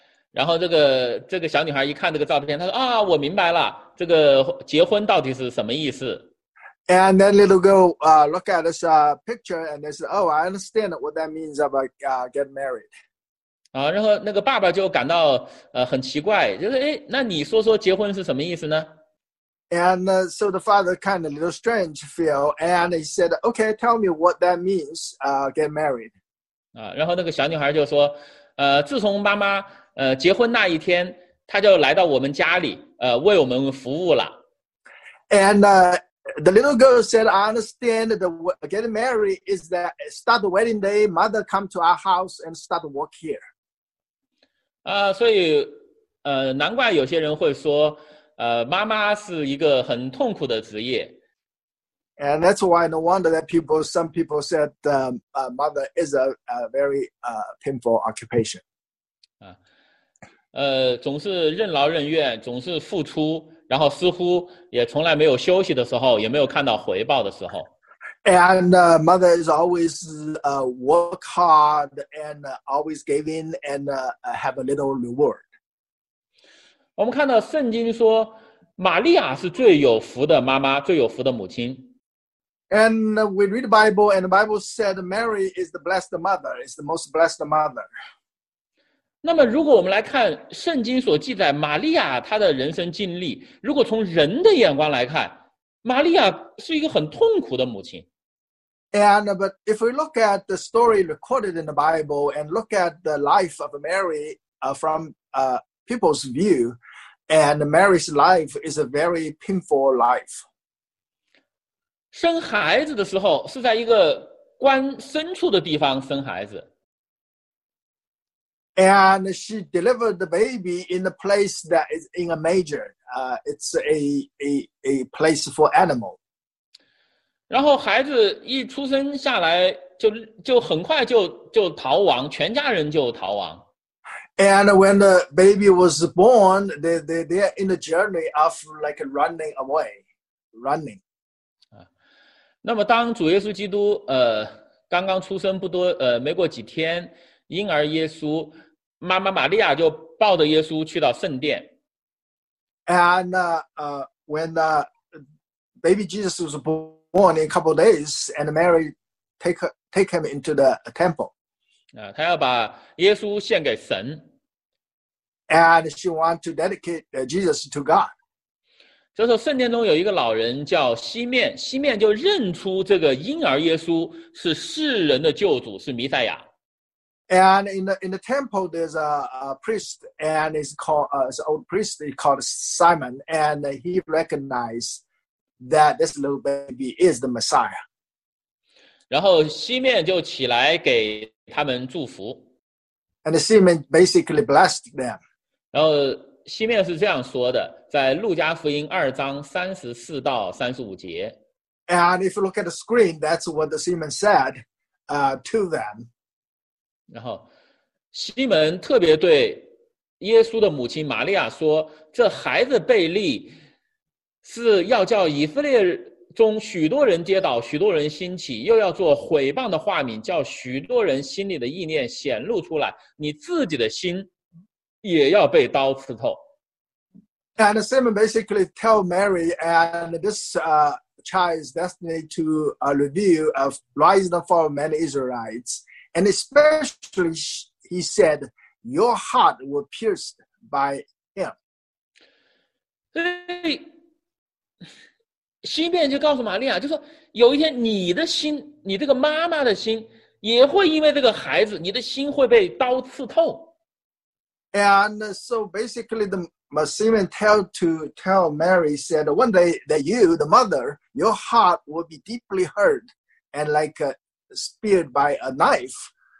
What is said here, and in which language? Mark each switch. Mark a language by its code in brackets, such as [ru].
[zh] 然后这个小女孩一看这个照片，她说啊，我明白了，这个结婚到底是什么意思。 [en] And then little girl look at this picture and they said, oh, I understand what that means of get married. [zh] 然后那个爸爸就感到很奇怪，就是，那你说说结婚是什么意思呢？ [en] And so the father kind of a little strange feel, and he said, okay, tell me what that means, get married. [zh] 然后那个小女孩就说，自从妈妈结婚那一天，她就来到我们家里，为我们服务了。 [en] And, the little girl said, I understand that getting married is that start the wedding day, mother come to our house and start to work here. [zh] 所以难怪有些人会说妈妈是一个很痛苦的职业。 [en] And that's why no wonder that some people said mother is a very painful occupation. [zh] 总是任劳任怨，总是付出。然后似乎也从来没有休息的时候，也没有看到回报的时候。 [en] And mother is always work hard and always giving and have a little reward. [zh] 我们看到圣经说，玛利亚是最有福的妈妈，最有福的母亲。 [en] And we read the Bible, and the Bible said Mary is the blessed mother, is the most blessed mother. [zh] 那么如果我们来看圣经所记载玛利亚她的人生经历，如果从人的眼光来看，玛利亚是一个很痛苦的母亲。 [en] And, but if we look at the story recorded in the Bible and look at the life of Mary from people's view, and Mary's life is a very painful life. [zh] 生孩子的时候是在一个关牲畜的地方生孩子。 [en] And she delivered the baby in a place that is in a manger. It's a place for animal. [zh] 然后孩子一出生下来就很快就逃亡，全家人就逃亡。 [en] And when the baby was born, they are in the journey of like running away, running. [zh] 那么当主耶稣基督刚刚出生不多没过几天，婴儿耶稣。妈妈玛利亚就抱着耶稣去到圣殿。 [en] And when the baby Jesus was born in a couple of days, and Mary take him into the temple. [zh] 他要把耶稣献给神。 [en] And she wants to dedicate Jesus to God. [zh] 这时候圣殿中有一个老人叫西面，西面就认出这个婴儿耶稣是世人的救主，是弥赛亚。 [en] And in the temple, there's a priest, and it's called, it's an old priest, he's called Simon, and he recognized that this little baby is the Messiah. [zh] 然后西面就起来给他们祝福。 [en] And Simon basically blessed them. [zh] 然后西面是这样说的，在路加福音二章三十四到三十五节。 [en] And if you look at the screen, that's what Simon said, to them. [zh] 然后西门特别对耶稣的母亲玛利亚说，这孩子被立是要叫以色列中许多人跌倒，许多人兴起，又要做毁谤的话柄，叫许多人心里的意念显露出来，你自己的心也要被刀刺透。 [en] And Simon basically tell Mary and this child's destiny to a review of rise and fall of many Israelites. And especially, he said, your heart were pierced by him. [zh] 所以西面就告诉玛利亚，就说有一天你的心，你这个妈妈的心也会因为这个孩子，你的心会被刀刺透。 [en] And so basically, the Simon tell Mary, said, one day that you, the mother, your heart will be deeply hurt and like speared by a knife.